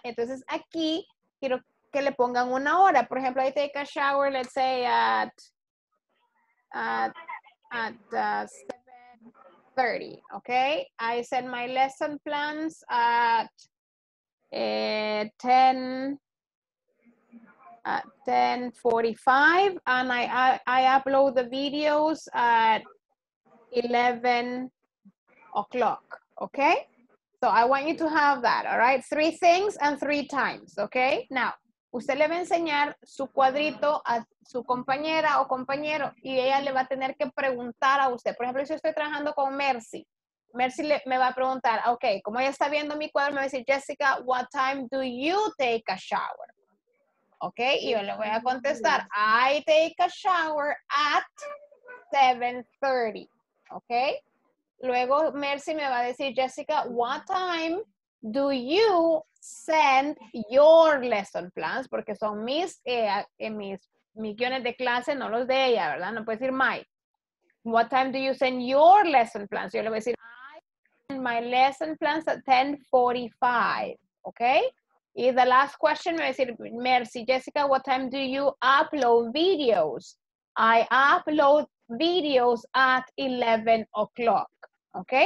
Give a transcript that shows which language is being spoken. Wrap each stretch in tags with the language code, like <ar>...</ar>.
<es>Entonces aquí quiero que le pongan una hora. Por ejemplo,</es> <en>I take a shower, let's say at... At 7:30, okay? I send my lesson plans at 10:45, and I upload the videos at 11 o'clock, okay? So I want you to have that, all right? Three things and three times, okay?</en> <es>Now, usted le va a enseñar su cuadrito a su compañera o compañero y ella le va a tener que preguntar a usted. Por ejemplo, si yo estoy trabajando con Mercy, Mercy me va a preguntar, ok, como ella está viendo mi cuadro, me va a decir, Jessica,</es> <en>what time do you take a shower?</en> <es>Ok, y yo le voy a contestar,</es> <en>I take a shower at 7:30,</en> <es>ok. Luego Mercy me va a decir,</es> <en>Jessica, what time do you send your lesson plans?</en> <es>Porque son mis guiones de clase, no los de ella, ¿verdad? No puede decir my.</es> <en>What time do you send your lesson plans?</en> <es>Yo le voy a decir,</es> <en>I send my lesson plans at 10:45, ¿ok? Y the last question,</en> <es>me va a decir,</es> <en>Mercy, Jessica, what time do you upload videos? I upload videos at 11 o'clock. ¿Ok?</en>